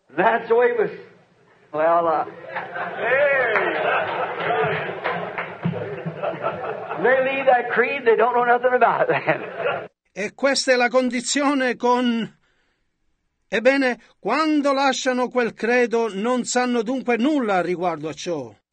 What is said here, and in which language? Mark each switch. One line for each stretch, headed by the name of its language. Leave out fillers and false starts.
English: That's the way it was. Well, they leave that creed, they don't know nothing about it.
Italian: E questa è la condizione con Ebbene, quando lasciano quel credo, non sanno dunque nulla riguardo a ciò.